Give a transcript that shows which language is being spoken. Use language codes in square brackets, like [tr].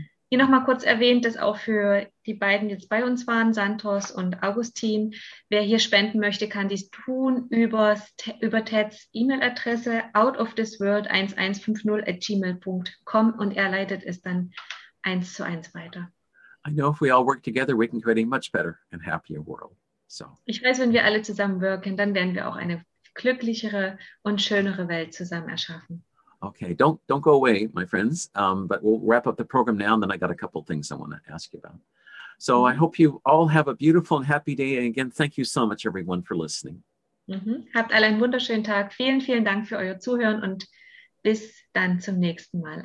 [de] Hier nochmal kurz erwähnt, dass auch für die beiden, die jetzt bei uns waren, Santos und Augustin, wer hier spenden möchte, kann dies tun über Teds E-Mail-Adresse outofthisworld1150@gmail.com und er leitet es dann 1:1 weiter. [en] I know if we all work together, we can create a much better and happier world. So. [de] Ich weiß, wenn wir alle zusammenwirken, dann werden wir auch eine glücklichere und schönere Welt zusammen erschaffen. [en] Okay, don't go away, my friends. But we'll wrap up the program now, and then I got a couple of things I want to ask you about. So I hope you all have a beautiful and happy day. And again, thank you so much, everyone, for listening. [de] Habt alle einen wunderschönen Tag. Vielen, vielen Dank für euer Zuhören und bis dann zum nächsten Mal.